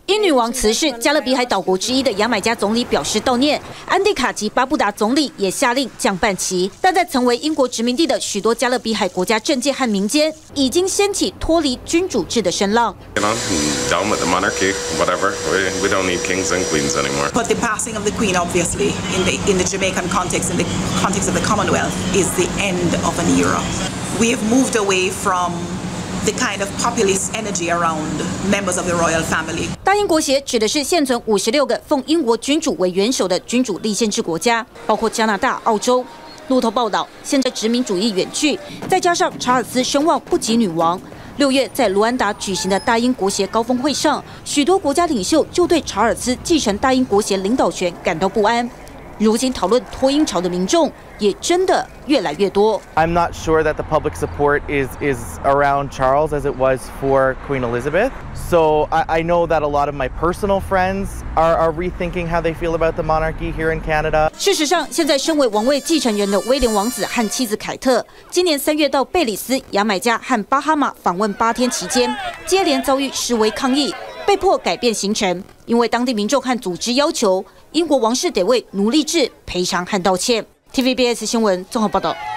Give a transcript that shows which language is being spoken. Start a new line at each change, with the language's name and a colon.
Chinese: 英女王辞世，加勒比海岛国之一的牙买加总理表示悼念，安迪卡及巴布达总理也下令降半旗。但在曾为英国殖民地的许多加勒比海国家政界和民间，已经掀起脱离君主制的声浪。
English: You know, down with the monarchy, whatever. We don't need kings and queens anymore. But the passing of the queen, obviously, in the Jamaican context, in the context of the Commonwealth, is the end of an era. We have moved away from. The kind of populist energy around members of the royal family.
Chinese: 大英国协指的是现存56个奉英国君主为元首的君主立宪制国家，包括加拿大、澳洲。路透报道，现在殖民主义远去，再加上查尔斯声望不及女王。六月在卢安达举行的大英国协高峰会上，许多国家领袖就对查尔斯继承大英国协领导权感到不安。如今讨论脱英潮的民众也真的越来越多。
English: I'm not sure that the public support is around Charles as it was for Queen Elizabeth. So I know that a lot of my personal friends are rethinking how they feel about the monarchy here in Canada.
Chinese: 事实上，现在身为王位继承人的威廉王子和妻子凯特，今年3月到贝里斯、牙买加和巴哈马访问8天期间，接连遭遇示威抗议，被迫改变行程，因为当地民众和组织要求。英国王室得为奴隶制赔偿和道歉。TVBS 新闻综合报道。